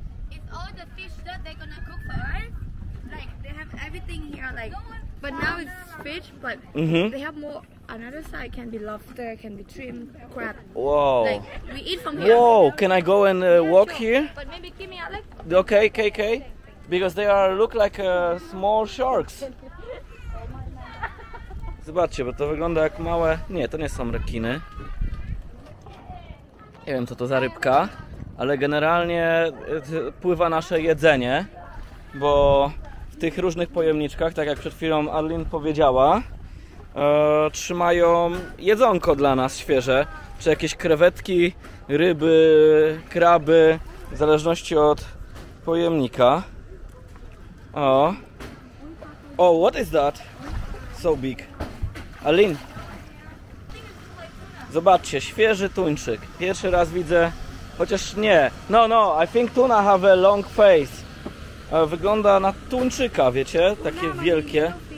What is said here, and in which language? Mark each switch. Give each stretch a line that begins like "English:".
English: It's all the fish that they're gonna cook for us. Like, they have everything here, like, but now it's fish, but they have more. Another side can be lobster, can be shrimp, crab. Whoa. Like, we eat from here. Whoa, can I go and walk here? But maybe give me Alex. Okay, KK. Because they are look like small sharks.
Polish: Zobaczcie, bo to wygląda jak małe... Nie, to nie są rekiny. Nie wiem, co to za rybka. Ale generalnie pływa nasze jedzenie. Bo w tych różnych pojemniczkach, tak jak przed chwilą Arlin powiedziała, trzymają jedzonko dla nas świeże, czy jakieś krewetki, ryby, kraby, w zależności od pojemnika.
English: O, oh, what is that? So big.
Polish: Alin, zobaczcie, świeży tuńczyk. Pierwszy raz widzę, chociaż nie.
English: No, no, I think tuna have a long face.
Polish: Wygląda na tuńczyka, wiecie, takie wielkie.